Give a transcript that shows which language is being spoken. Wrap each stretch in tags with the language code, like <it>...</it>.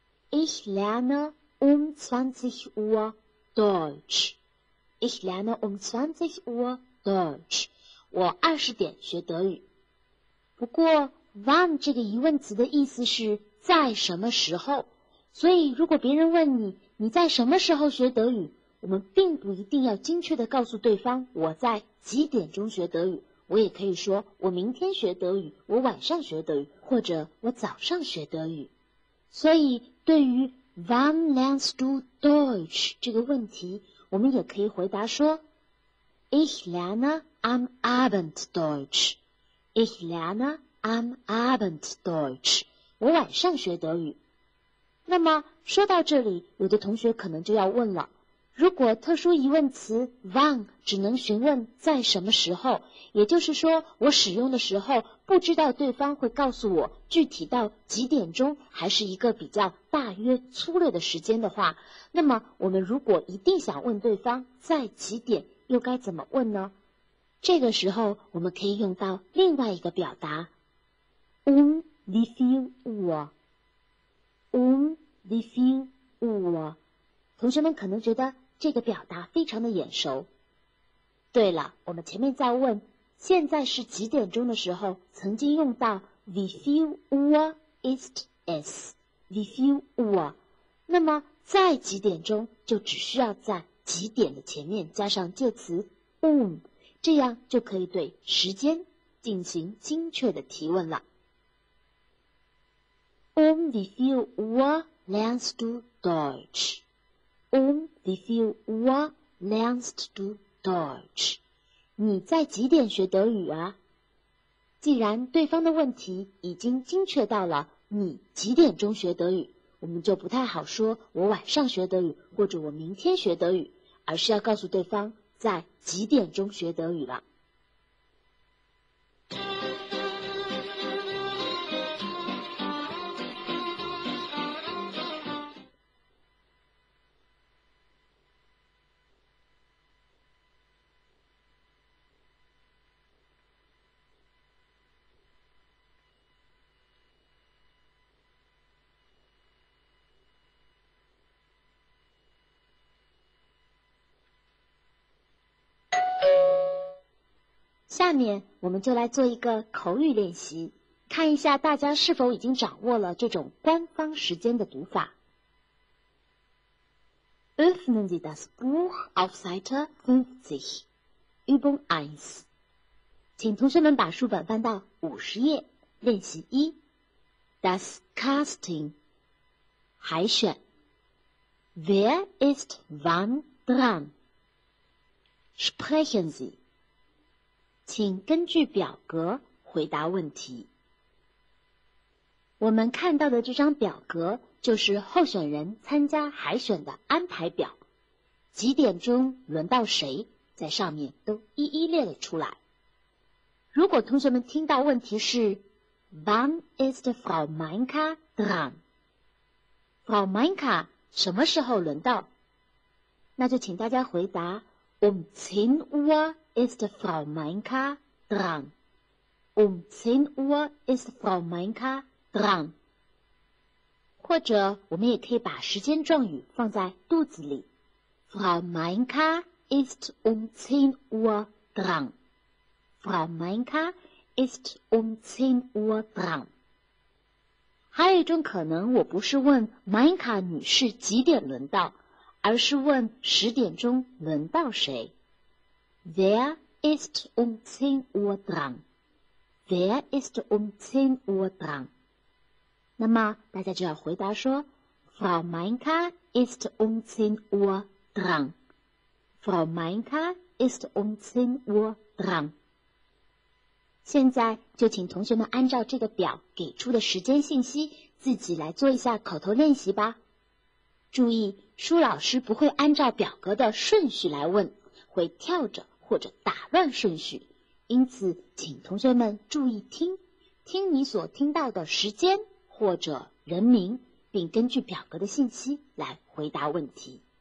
<de>Ich lerne um 20 Uhr Deutsch. Ich lerne um 20 Uhr Deutsch.</de> <zh>我20点学德语。不过 wann 这个疑问词的意思是在什么时候，所以如果别人问你你在什么时候学德语，我们并不一定要精确地告诉对方我在几点钟学德语，我也可以说我明天学德语，我晚上学德语，或者我早上学德语。所以对于</zh> <de>Wann lernst du Deutsch</de> <zh>这个问题，我们也可以回答说</zh> <de>Ich lerne am Abend Deutsch， Ich lerne am Abend Deutsch，</de> <zh>我晚上学德语。那么说到这里，有的同学可能就要问了，如果特殊疑问词 wann 只能询问在什么时候，也就是说我使用的时候不知道对方会告诉我具体到几点钟还是一个比较大约粗略的时间的话，那么我们如果一定想问对方在几点又该怎么问呢？这个时候我们可以用到另外一个表达 Un di fiu uo。同学们可能觉得这个表达非常的眼熟。对了，我们前面在问现在是几点钟的时候，曾经用到 Vi fiu uo ist es Vi fiu uo。那么在几点钟就只需要在几点的前面加上介词 Un，这样就可以对时间进行精确的提问了。</zh> <de>Um wie viel Uhr lernst du Deutsch? Um wie viel Uhr lernst du Deutsch?</de> <zh>你在几点学德语啊？既然对方的问题已经精确到了你几点钟学德语，我们就不太好说我晚上学德语或者我明天学德语，而是要告诉对方在几点钟学德语了。下面我们就来做一个口语练习，看一下大家是否已经掌握了这种官方时间的读法。</zh> <de>Öffnen Sie das Buch auf Seite 50. Übung 1.</de> <zh>请同学们把书本翻到50页，练习一。</zh> <de>Das Casting.</de> <zh>海选。</zh> <de>Wer ist wann dran? Sprechen Sie.</de> <zh>请根据表格回答问题。我们看到的这张表格就是候选人参加海选的安排表，几点钟轮到谁，在上面都一一列了出来。如果同学们听到问题是</zh> <de>Wann ist Frau Meinka dran?</de> <zh>Frau Meinka 什么时候轮到，那就请大家回答</zh> <de>Um 10 Uhr ist Frau Meinka dran? Um 10 Uhr ist Frau Meinka dran?</de> <zh>或者我们也可以把时间状语放在肚子里。</zh> <de>Frau Meinka ist um 10 Uhr dran. Frau Meinka ist um 10 Uhr dran.</de> <zh>还有一种可能，我不是问 Meinka 女士几点轮到，而是问十点钟轮到谁。</zh> <de>Wer ist um 10 Uhr dran? Wer ist um 10 Uhr dran?</de> <zh>那么大家就要回答说</zh> <de>Frau Meinka ist um 10 Uhr dran. Frau Meinka ist um 10 Uhr dran.</de> <zh>现在就请同学们按照这个表给出的时间信息自己来做一下口头练习吧。注意，舒老师不会按照表格的顺序来问，会跳着或者打乱顺序，因此请同学们注意听，听你所听到的时间或者人名，并根据表格的信息来回答问题。</zh>